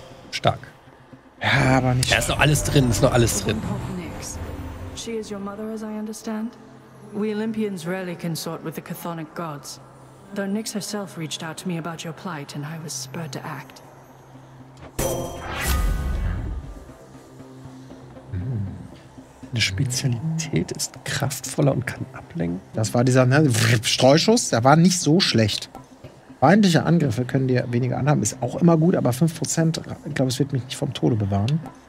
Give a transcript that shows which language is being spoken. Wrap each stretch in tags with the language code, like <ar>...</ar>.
<de>Stark. Ja, aber nicht. Da ist noch alles drin, ist noch alles drin.</de> <en>She is your mother, as I understand. We Olympians rarely consort with the Chthonic gods. Though Nyx herself reached out to me about your plight, and I was spurred to act.</en> <de>Eine Spezialität ist kraftvoller und kann ablenken. Das war dieser Streuschuss, der war nicht so schlecht. Feindliche Angriffe können dir weniger anhaben, ist auch immer gut, aber 5%, ich glaube, es wird mich nicht vom Tode bewahren.</de>